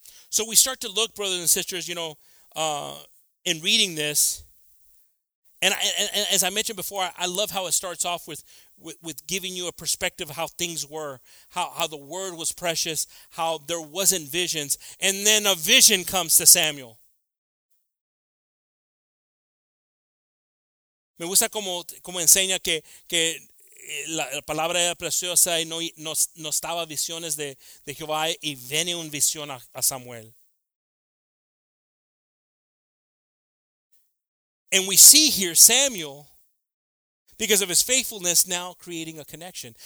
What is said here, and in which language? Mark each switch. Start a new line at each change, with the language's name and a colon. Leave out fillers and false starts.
English: So we start to look, brothers and sisters, you know, in reading this, and as I mentioned before, I love how it starts off with giving you a perspective of how things were, how the word was precious, how there wasn't visions, and then a vision comes to Samuel.
Spanish: Me gusta como enseña que la palabra era preciosa y no estaba visiones de Jehová y viene una visión a Samuel.
English: And we see here Samuel, because of his faithfulness, now creating a connection.